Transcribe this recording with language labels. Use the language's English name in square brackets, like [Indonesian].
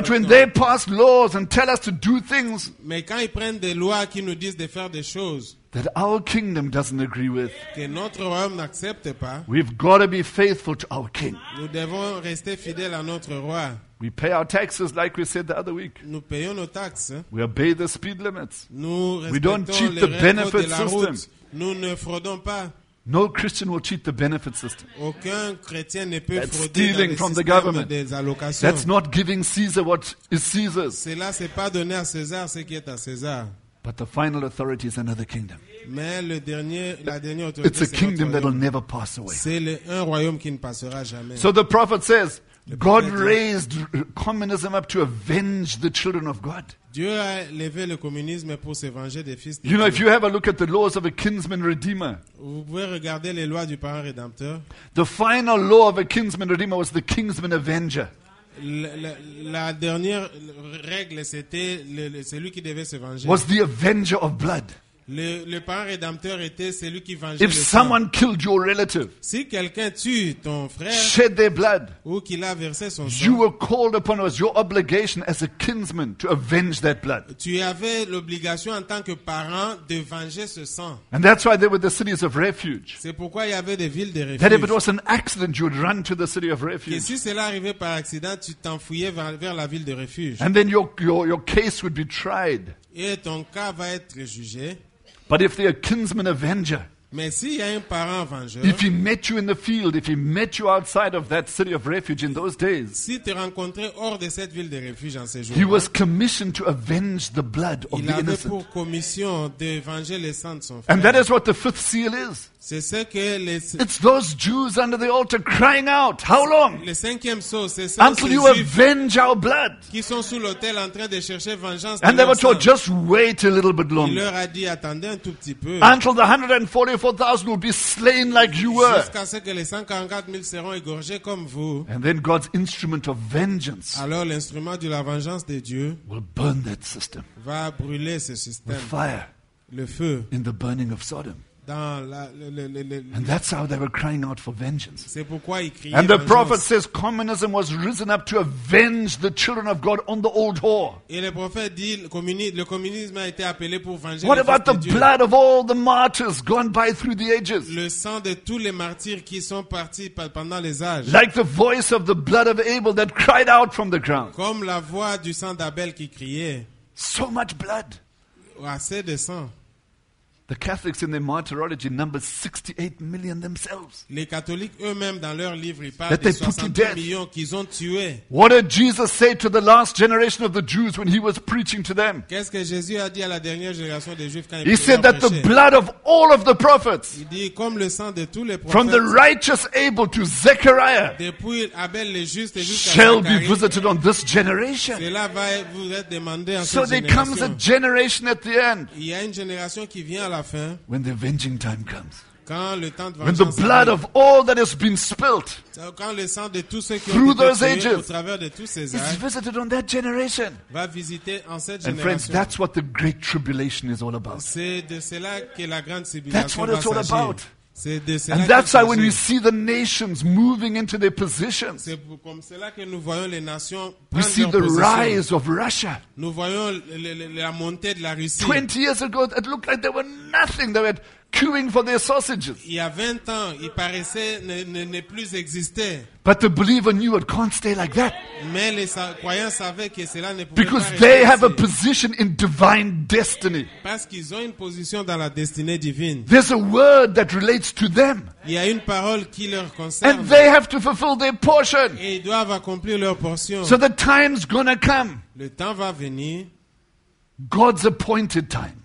[English] But when they pass laws and tell us to do things, [French] mais quand ils prennent des lois qui nous disent de faire des choses, [English] that our kingdom doesn't agree with. [French] Que notre royaume n'accepte pas. [English] We've got to be faithful to our king. [French] Nous devons rester fidèles à notre roi. [English] We pay our taxes like we said the other week. [French] Nous payons nos taxes. [English] We obey the speed limits. [French] Nous respectons [English] we don't cheat the benefit system. [French] Nous ne fraudons pas. [English] No Christian will cheat the benefit system. [French] Aucun chrétien ne peut frauder. [English] Stealing from the government. That's not giving Caesar what is Caesar's. [French] Cela c'est pas donner à César ce qui est à César. [English] But the final authority is another kingdom. [French] Mais le dernier, la dernière autorité, [English] it's a kingdom that will never pass away. [French] C'est le, un royaume qui ne passera jamais. [English] So the prophet says, God raised communism up to avenge the children of God. [French] Dieu a élevé le communisme pour se venger des fils de Dieu. [English] You know, if you have a look at the laws of a kinsman redeemer, [French] vous pouvez regarder les lois du parent rédempteur. [English] The final law of a kinsman redeemer was the kinsman avenger. [French] La dernière règle, c'était celui qui devait se venger. [English] Was the avenger of blood. [French] Le parent rédempteur était celui qui vengeait. [English] If someone killed your relative, [French] si quelqu'un tue ton frère, [English] shed their blood, [French] ou qu'il a versé son sang, [English] you were called upon, it was your obligation as a kinsman to avenge that blood. [French] Tu avais l'obligation en tant que parent de venger ce sang. [English] And that's why there were the cities of refuge. [French] C'est pourquoi il y avait des villes de refuge. [English] That if it was an accident, you would run to the city of refuge. [French] Et si cela arrivait par accident, tu t'enfuyais vers la ville de refuge. [English] And then your case would be tried. [French] Et ton cas va être jugé. [English] But if they're a kinsman avenger, [French] mais s'il y a un parent vengeur, [English] if he met you in the field, if he met you outside of that city of refuge in those days, [French] si tu rencontrais hors de cette ville de refuge en ces jours, [English] he was commissioned to avenge the blood of the innocent. [French] Il avait pour commission de venger le sang de son frère. [English] And that is what the fifth seal is. [French] C'est ce que les, [English] it's those Jews under the altar crying out, how long? [French] Le cinquième sceau, c'est ça, [English] until you avenge our blood. [French] Qui sont sous l'autel en train de chercher vengeance. [English] And they were told, just wait a little bit longer. [French] Il leur a dit, attendez un tout petit peu. [English] Until the 144,000 will be slain like you were. [French] Jusqu'à ce que les 144,000 seront égorgés comme vous. [English] And then God's instrument of vengeance. [French] Alors l'instrument de la vengeance de Dieu. [English] Will burn that system. [French] Va brûler ce système. [English] With fire. [French] Le feu. [English] In the burning of Sodom. And that's how they were crying out for vengeance. [French] C'est pourquoi ils criaient. [English] And the prophet says communism was risen up to avenge the children of God on the old whore. [French] Et le prophète dit le communisme a été appelé pour venger. [English] What about the blood of all the martyrs gone by through the ages? [French] Le sang de tous les martyrs qui sont partis pendant les âges. [English] Like the voice of the blood of Abel that cried out from the ground. [French] Comme la voix du sang d'Abel qui criait. [English] So much blood. [French] Assez de sang. [English] The Catholics in their martyrology number 68 million themselves. [French] Les catholiques eux-mêmes dans leur livre ils parlent des 68 millions qu'ils ont tués. [English] What did Jesus say to the last generation of the Jews when he was preaching to them? [French] Qu'est-ce que Jésus a dit à la dernière génération des Juifs quand il prêchait? [English] He said that the blood of all of the prophets. [French] Il dit comme le sang de tous les prophètes. [English] From the righteous Abel to Zechariah. [French] Depuis Abel le juste jusqu'à Zacharie. [English] Shall be visited on this generation. [French] Cela va vous être demandé en cette génération. [English] So there comes a generation at the end. [French] Il y a une génération qui vient. [English] When the avenging time comes, [French] quand le temps de [English] when the blood of all that has been spilt [French] quand le sang de tous ceux qui [English] through [French] ont été [English] those ages [French] au travers de tous ces âges [English] is visited on that generation. [French] Va visiter en cette génération. [English] And friends, that's what the great tribulation is all about. [French] C'est de cela que la grande tribulation [English] that's what [French] va [English] it's all [French] s'agir. [English] About. [French] C'est de cela [English] and that's why when we see the nations moving into their positions, [French] c'est comme cela que nous voyons les nations [English] we see the rise of Russia. [French] Nous voyons la montée de la Russie. [English] 20 years ago, it looked like there were nothing. They were queuing for their sausages. [French] Il y a 20 ans, il paraissait ne plus exister. [English] But the believer knew it can't stay like that. [French] Mais les croyants savaient que cela ne pouvait pas. [English] Because they have a position in divine destiny. [French] Parce qu'ils ont une position dans la destinée divine. [English] There's a word that relates to them. [French] Il y a une parole qui leur concerne. [English] And they have to fulfill their portion. [French] Et ils doivent accomplir leur portion. [English] So the time's gonna come. [French] Le temps va venir. [English] God's appointed time.